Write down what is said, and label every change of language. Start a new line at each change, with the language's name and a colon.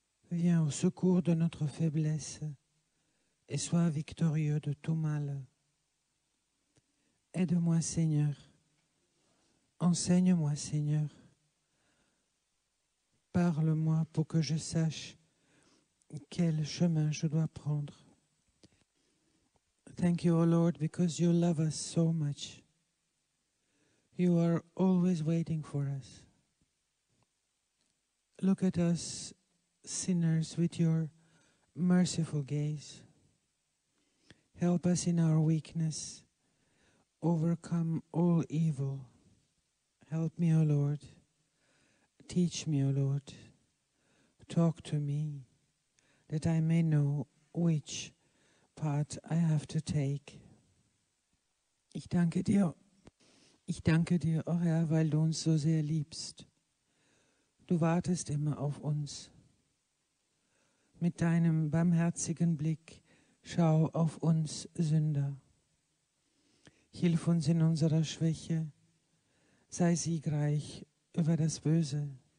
French: Viens au secours de notre faiblesse et sois victorieux de tout mal. Aide-moi, Seigneur. Enseigne-moi, Seigneur. Parle-moi pour que je sache quel chemin je dois prendre.
English: Thank you, O Lord, because you love us so much. You are always waiting for us. Look at us, sinners, with your merciful gaze. Help us in our weakness. Overcome all evil. Help me, O Lord. Teach me, O Lord. Talk to me, that I may know which part I have to take.
German: Ich danke dir. Ich danke dir, o Herr, weil du uns so sehr liebst. Du wartest immer auf uns. Mit deinem barmherzigen Blick schau auf uns, Sünder. Hilf uns in unserer Schwäche. Sei siegreich über das Böse.